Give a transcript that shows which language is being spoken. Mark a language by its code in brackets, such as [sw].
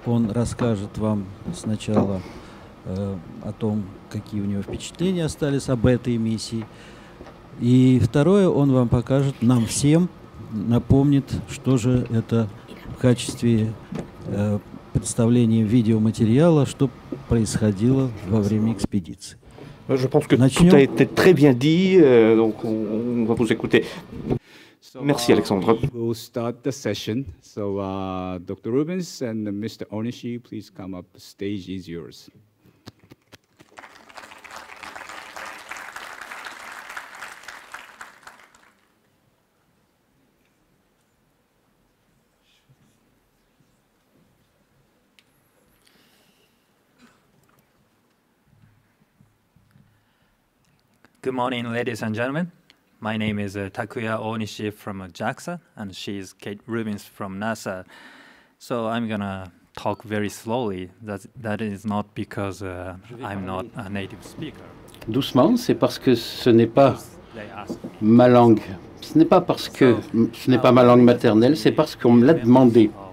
[ru] Он расскажет вам сначала о том, какие у него впечатления остались об этой миссии, и второе, он вам покажет, нам всем напомнит, что же это в качестве представления видеоматериала, что происходило во время экспедиции. [fr] Je pense que [ru] Начнем. [fr] Tout a été très bien dit, donc on va vous écouter. Merci, Alexandre. [en] We'll start the session. So, Dr. Rubens and Mr. Onishi, please come up. Stage is yours. Good morning, ladies and gentlemen. My name is Takuya Onishi from JAXA, and she's Kate Rubens from NASA. So I'm gonna talk very slowly. That is not because I'm not a native speaker. [fr] Doucement, c'est parce que ce n'est pas ma langue. Ce n'est pas parce que ce n'est pas ma langue maternelle, c'est parce qu'on me l'a demandé.